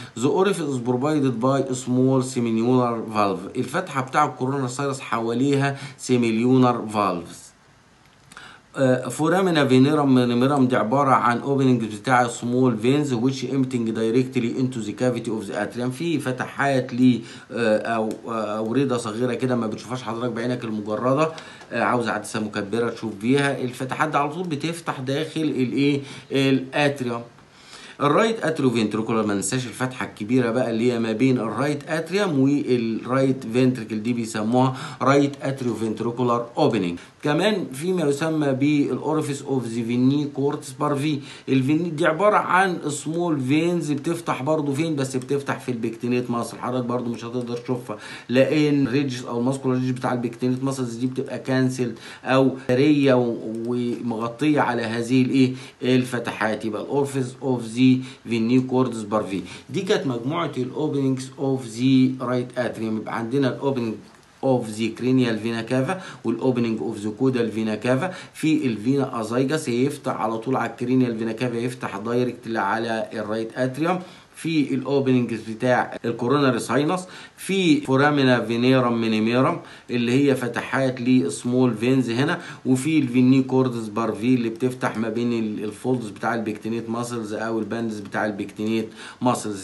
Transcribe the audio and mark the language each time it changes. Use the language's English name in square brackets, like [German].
[English] The orifice is provided by a small semilunar valve. [Arabic] الفتحة بتاع الكورونا سيروس حواليها [English] semilunar valves. Foramina venerum minimum [Arabic] دي عبارة عن [English] opening بتاع small veins which emptying directly into the cavity of the atrium. [Arabic] في فتحات لي وريدة صغيرة كده ما بتشوفهاش حضرتك بعينك المجردة، عاوز عدسة مكبرة تشوف بيها، الفتحات دي على طول بتفتح داخل الايه؟ الاتريوم. الرايت اتريو فينتريكولار، ما ننساش الفتحه الكبيره بقى اللي هي ما بين الرايت اتريوم والرايت فينتريكل، دي بيسموها رايت اتريو فينتريكولار اوبننج. كمان فيما يسمى بالاورفيس اوف ذا فيني كورتس بارفي، الفيني دي عباره عن سمول فينز بتفتح برضو فين؟ بس بتفتح في البكتينيت ماسل، حضرتك برضو مش هتقدر تشوفها لان ريدج او الماسكولار ريدج بتاع البكتينيت ماسل دي بتبقى كانسل او ريه ومغطيه على هذه الايه؟ الفتحات. يبقى الاورفيس اوف ذا فيني كورتس بارفي دي كانت مجموعه الاوبننجز اوف ذا رايت اتريوم. يبقى عندنا الاوبننج [English] of the cranial vena cava [Arabic] وال [English] opening of the caudal vena cava. [Arabic] في الفينا ازايجس يفتح على طول على الكرينيال فينا كافا، يفتح دايركت على الرايت اتريوم. في الاوبننجز بتاع الكورونري ساينس، في فورامينا فينيرم مينيميرم اللي هي فتحات للسمول فينز هنا، وفي الفيني كوردز بارفي اللي بتفتح ما بين الفولدز بتاع البيكتينيت ماسلز او الباندز بتاع البيكتينيت ماسلز.